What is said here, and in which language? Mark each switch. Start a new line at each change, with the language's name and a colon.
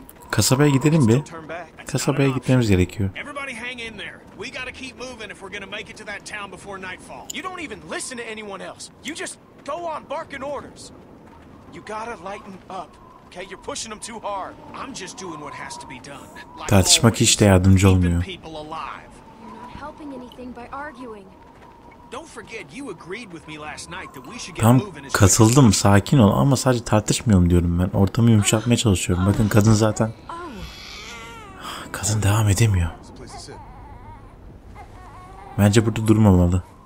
Turkish: Kasabaya gidelim bir. Kasabaya gitmemiz gerekiyor.
English: Everybody hang in there. We gotta keep moving if we're gonna make it to that town before nightfall. You don't even listen to anyone else. You just go on barking orders. You gotta lighten up. Okay, you're pushing them too hard. I'm just doing what has to be done.
Turkish: Tartışmak hiç de yardımcı olmuyor.
English: You're not helping anything by arguing. Don't forget you agreed with me last night that we should get moving.
Turkish: Tamam, katıldım, sakin ol, ama sadece tartışmıyorum diyorum ben. Ortamı yumuşatmaya çalışıyorum. Bakın kadın zaten. Kadın devam edemiyor. Bence burada durmamalı.